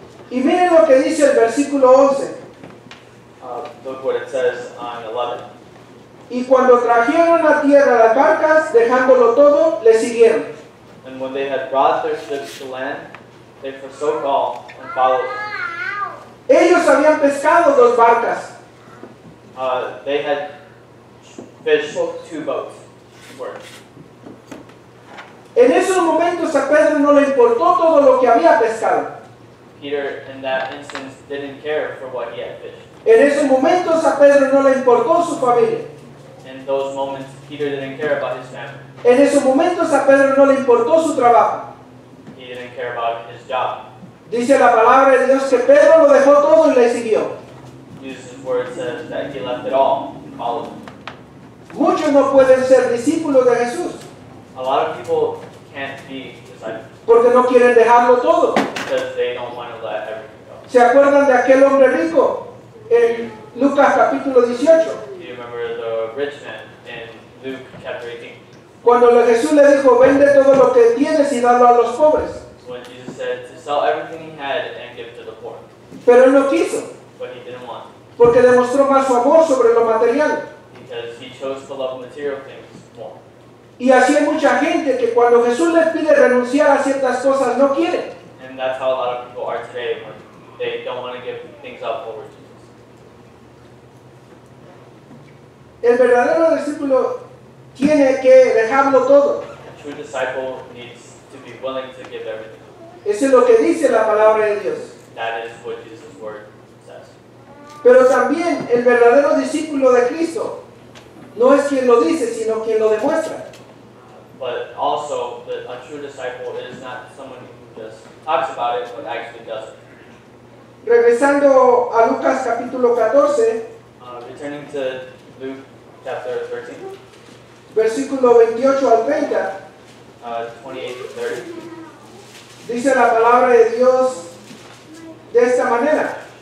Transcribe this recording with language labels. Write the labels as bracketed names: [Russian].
[Spanish] Y miren lo que dice el versículo 11. [English] Look what it says on 11. [Spanish] Y cuando trajeron a tierra las barcas, dejándolo todo, le siguieron. [English] And when they had brought their ships to land, they forsook all and followed them. [Spanish] Ellos habían pescado dos barcas. [English] They had fished two boats. Worth. [Spanish] En esos momentos a Pedro no le importó todo lo que había pescado. [English] Peter, in that instance, didn't care for what he had fished. [Spanish] En esos momentos a Pedro no le importó su familia. [English] In those moments, Peter didn't care about his family. [Spanish] En esos momentos a Pedro no le importó su trabajo. [English] He didn't care about his job. [Spanish] Dice la palabra de Dios que Pedro lo dejó todo y le siguió. [English] Jesus' word says that he left it all and followed him. [Spanish] Muchos no pueden ser discípulos de Jesús. [English] A lot of people can't be disciples. [Spanish] Porque no quieren dejarlo todo. [English] Because they don't want to let everything go. [Spanish] ¿Se acuerdan de aquel hombre rico? En Lucas capítulo 18. [English] Do you remember the rich man in Luke chapter 18? [Spanish] Cuando Jesús le dijo, vende todo lo que tienes y dalo a los pobres. [English] When Jesus said to sell everything he had and give to the poor. [Spanish] Pero él no quiso. [English] But he didn't want. [Spanish] Porque demostró más su amor sobre lo material. [English] Because he chose to love material things more. [Spanish] Y así hay mucha gente que cuando Jesús les pide renunciar a ciertas cosas, no quiere. [English] And that's how a lot of people are today when they don't want to give things up over Jesus. [Spanish] El verdadero discípulo tiene que dejarlo todo. [English] A true disciple needs to be willing to give everything. [Spanish] Eso es lo que dice la palabra de Dios. [English] That is what Jesus' word says. [Spanish] Pero también el verdadero discípulo de Cristo no es quien lo dice, sino quien lo demuestra. [English] But also, a true disciple is not someone who just talks about it, but actually does it. [Spanish] Regresando a Lucas capítulo 14. [English] Returning to Luke chapter 13. [Spanish] Versículo 28 al 30. [English] 28-30. [Spanish] Dice la palabra de Dios de esta manera.